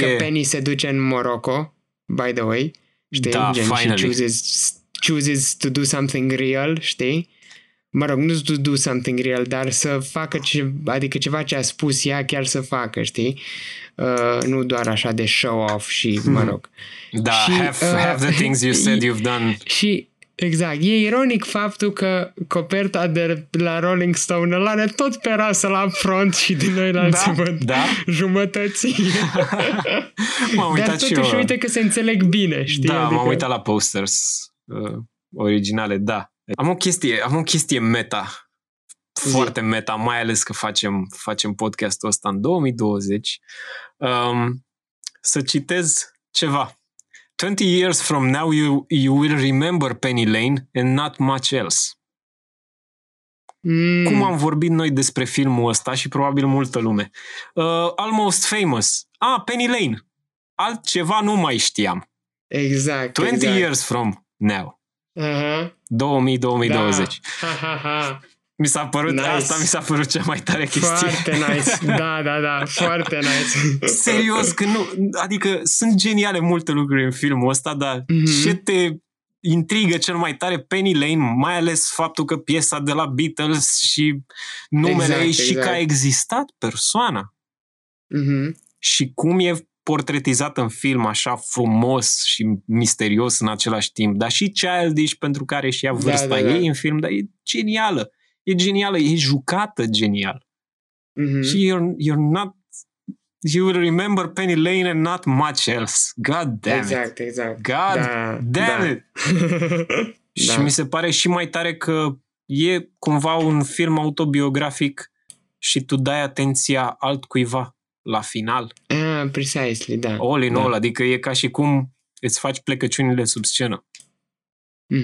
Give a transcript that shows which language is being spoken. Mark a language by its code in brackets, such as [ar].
[ro] E fain că Penny se duce în Morocco, [en] by the way, [ro] știi? Da, gen, [en] finally. [ro] Și [en] chooses to do something real, [ro] știi? Mă rog, nu [en] to do something real, [ro] dar să facă adică ceva ce a spus ea chiar să facă, știi? Nu doar așa de show-off și, mă rog. Da, și, [en] have the things you said you've done. [ro] Și, exact, e ironic faptul că coperta de la Rolling Stone îl are tot pe rasă la front și din noi la jumătății. M-am uitat și eu. Dar totuși uite că se înțeleg bine, știi? Da, adică... m-am uitat la posters originale, da. Am o chestie meta, foarte meta, mai ales că facem podcastul ăsta în 2020, să citez ceva. [en] 20 years from now you will remember Penny Lane and not much else. [ro] Cum am vorbit noi despre filmul ăsta și probabil multă lume. Almost Famous. Penny Lane. Altceva nu mai știam. Exact. 20 exact. [en] Years from now. 2020. [ro] Da. Mi s-a părut asta, mi s-a părut cea mai tare chestie. Foarte nice. Da, foarte nice. Serios, că nu, adică sunt geniale multe lucruri în filmul ăsta, dar ce te intrigă cel mai tare Penny Lane, mai ales faptul că piesa de la Beatles și numele ei și că a existat persoana. Mm-hmm. Și cum e portretizat în film așa frumos și misterios în același timp, dar și Childish, pentru care și ea vârsta ei în film, dar e genială, e jucată genial. Mm-hmm. Și [en] you remember Penny Lane and not much else. God damn it. [ro] Exact. [en] God damn it. [ro] Și mi se pare și mai tare că e cumva un film autobiografic și tu dai atenția altcuiva la final. [en] Precisely, [ro] da. [en] All in all, [ro] adică e ca și cum îți faci plecăciunile sub scenă. Mm-hmm.